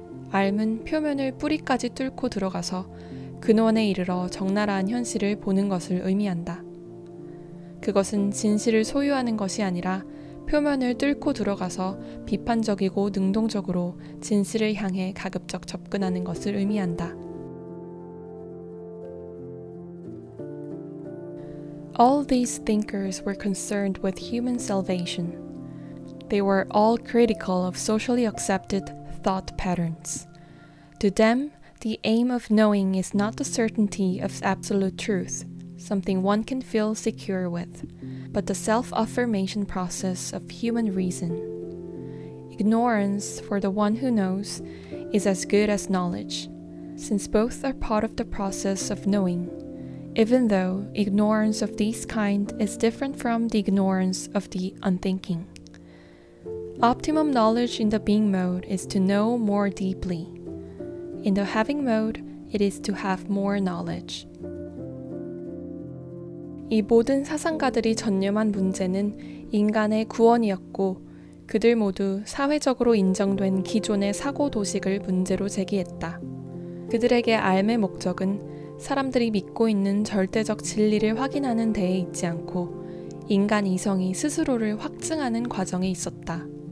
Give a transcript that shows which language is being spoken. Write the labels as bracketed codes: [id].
[ko] 알은 표면을 뿌리까지 뚫고 들어가서 근원에 이르러 적나라한 현실을 보는 것을 의미한다. 그것은 진실을 소유하는 것이 아니라 표면을 뚫고 들어가서 비판적이고 능동적으로 진실을 향해 가급적 접근하는 것을 의미한다. [en] All these thinkers were concerned with human salvation. They were all critical of socially accepted thought patterns. To them, the aim of knowing is not the certainty of absolute truth, something one can feel secure with, but the self-affirmation process of human reason. Ignorance, for the one who knows, is as good as knowledge, since both are part of the process of knowing, even though ignorance of this kind is different from the ignorance of the unthinking. Optimum knowledge in the being mode is to know more deeply. In the having mode, it is to have more knowledge. [ko] 이 모든 사상가들이 전념한 문제는 인간의 구원이었고, 그들 모두 사회적으로 인정된 기존의 사고 도식을 문제로 제기했다. 그들에게 알매 목적은 사람들이 믿고 있는 절대적 진리를 확인하는 데에 있지 않고, 인간 이성이 스스로를 확증하는 과정에 있었다.